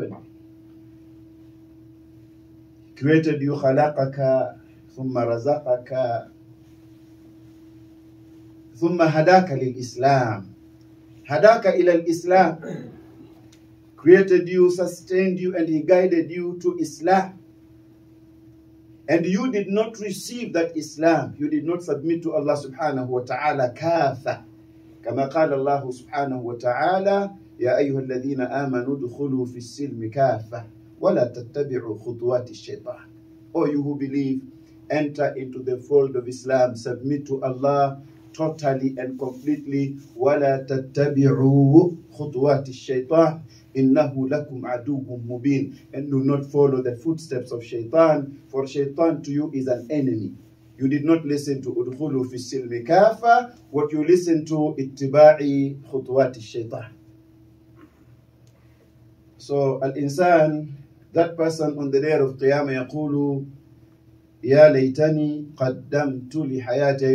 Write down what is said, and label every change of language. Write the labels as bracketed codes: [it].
[en] And he created you, [ar] خَلَقَكَ ثُمَّ رَزَقَكَ ثُمَّ هَدَاكَ لِلْإِسْلَامِ. هَدَاكَ إِلَى الْإِسْلَامِ. [en] Created you, sustained you, and he guided you to Islam. And you did not receive that Islam. You did not submit to Allah subhanahu wa ta'ala kafa. [ar] كما قال الله سبحانه وتعالى يا أيها الذين آمنوا دخلوا في السلم كافة ولا تتبعوا خطوات الشيطان. [en] Oh, you who believe, enter into the fold of Islam, submit to Allah totally and completely. [ar] ولا تتبعوا خطوات الشيطان إنه لكم عدو مبين. [en] And do not follow the footsteps of Shaytan, for Shaytan to you is an enemy. You did not listen to [ar] udkhulu fi silmi kafa. [en] What you listen to, [ar] ittiba'i khutwati shaytan. [en] So al-insan, that person on the day of qiyamah, [ar] yaqulu ya laytani qaddamtu li hayati.